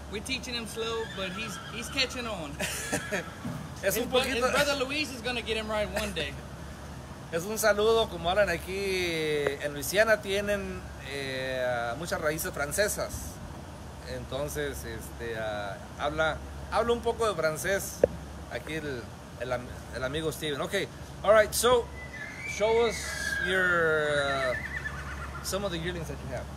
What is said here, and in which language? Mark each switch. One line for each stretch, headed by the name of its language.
English: We're teaching him slow, but he's catching on.
Spanish: Es un poquito.
English: His brother Luis is gonna get him right one day.
Spanish: Es un saludo, como hablan aquí en Luisiana, tienen muchas raíces francesas. Entonces, habla un poco de francés aquí el amigo Steven.
English: Okay, all right. So, show us your some of the yearlings that you have.